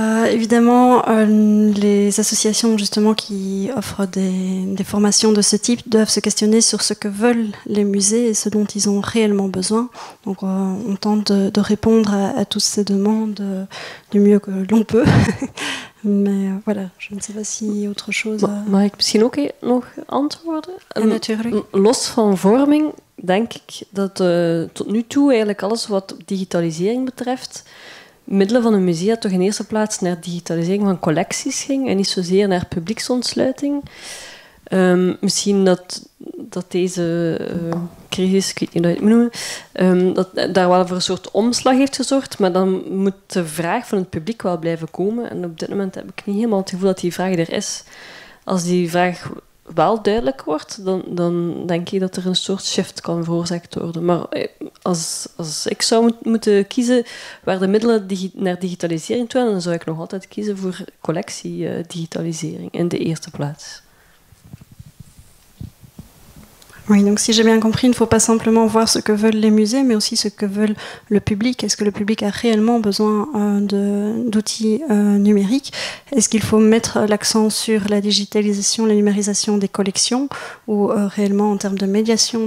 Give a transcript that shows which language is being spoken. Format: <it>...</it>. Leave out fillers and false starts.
<fr>Évidemment, les associations justement qui offrent des formations de ce type doivent se questionner sur ce que veulent les musées et ce dont ils ont réellement besoin. Donc on tente de répondre à toutes ces demandes du mieux que l'on peut. Mais voilà, je ne sais pas si autre chose...</fr> <nl>Mag ik misschien ook nog antwoorden? Ja, natuurlijk. Los van vorming denk ik dat tot nu toe eigenlijk alles wat digitalisering betreft... middelen van een museum toch in eerste plaats naar digitalisering van collecties ging en niet zozeer naar publieksontsluiting. Misschien dat deze crisis, ik weet niet hoe je het moet noemen, dat daar wel voor een soort omslag heeft gezorgd, maar dan moet de vraag van het publiek wel blijven komen. En op dit moment heb ik niet helemaal het gevoel dat die vraag er is. Als die vraag wel duidelijk wordt, dan denk ik dat er een soort shift kan veroorzaakt worden. Maar als ik zou moeten kiezen waar de middelen naar digitalisering toe gaan, dan zou ik nog altijd kiezen voor collectiedigitalisering in de eerste plaats.</nl> <fr>Oui, donc si j'ai bien compris, il ne faut pas simplement voir ce que veulent les musées, mais aussi ce que veulent le public. Est-ce que le public a réellement besoin d'outils numériques? Est-ce qu'il faut mettre l'accent sur la digitalisation, la numérisation des collections, ou réellement en termes de médiation?</fr>